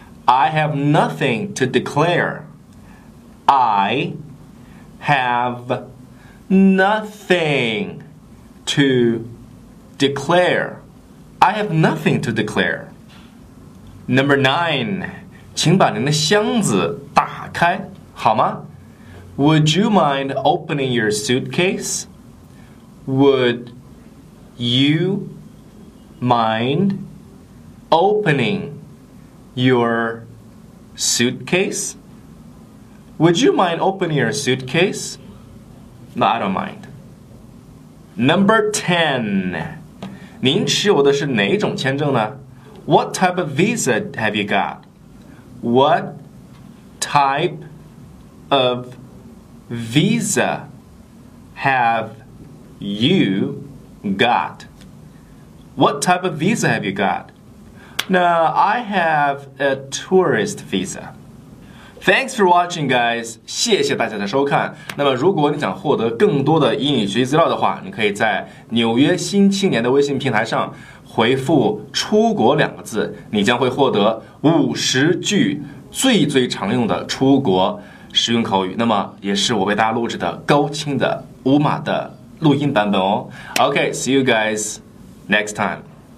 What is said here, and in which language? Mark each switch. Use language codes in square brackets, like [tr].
[en] I have nothing to declare. I have. Nothing to declare. I have nothing to declare. Number nine, [zh] 请把您的箱子打开好吗？ [en] Would you mind opening your suitcase? Would you mind opening your suitcase? Would you mind opening your suitcase? No, I don't mind. Number 10. [zh] 您持有的是哪种签证呢? [en] What type of visa have you got? What type of visa have you got? What type of visa have you got? No, I have a tourist visa. Thanks for watching, guys. [zh] 谢谢大家的收看。那么如果你想获得更多的英语学习资料的话，你可以在纽约新青年的微信平台上回复出国两个字，你将会获得50句最最常用的出国实用口语，那么也是我为大家录制的高清的5码的录音版本哦。 [en] OK, see you guys next time.